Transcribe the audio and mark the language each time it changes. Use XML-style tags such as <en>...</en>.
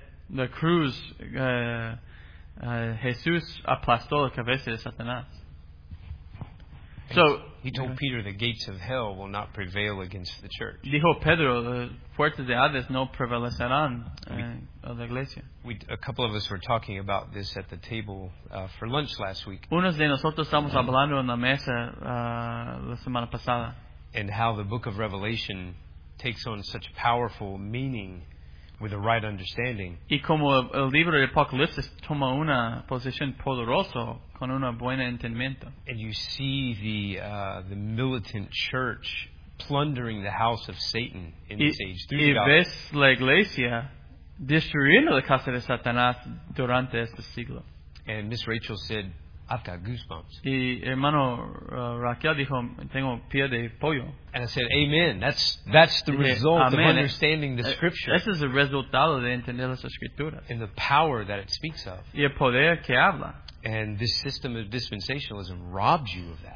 <es>La cruz, Jesús aplastó la cabeza de Satanás. So</es> <en>He told Peter the gates of hell will not prevail against the church.</en> <es>Dijo Pedro, las puertas de Hades no prevalecerán a la iglesia.</es> <en>A couple of us were talking about this at the table for lunch last week.</en> <es>Unos de nosotros estamos hablando en la mesa la semana pasada.</es> <en>And how the book of Revelation takes on such powerful meaning with a right understanding.</en> <es>Y como el libro de Apocalipsis toma una posición poderosa con una buena entendimiento.</es> <en>And you see the militant church plundering the house of Satan in this age.</en> <es>Y ves la iglesia destruyendo la casa de Satanás durante este siglo.</es> <en>And Miss Rachel said, I've got goosebumps.</en> <es>Y hermano Raquel dijo, tengo pie de pollo.</es> <en>And I said, amen. That's the result of understanding the scripture.</en> <es>Ese es el resultado de entender las escrituras.</es> <en>And the power that it speaks of.</en> <es>Y el poder que habla.</es> <en>And this system of dispensationalism robs you of that.</en>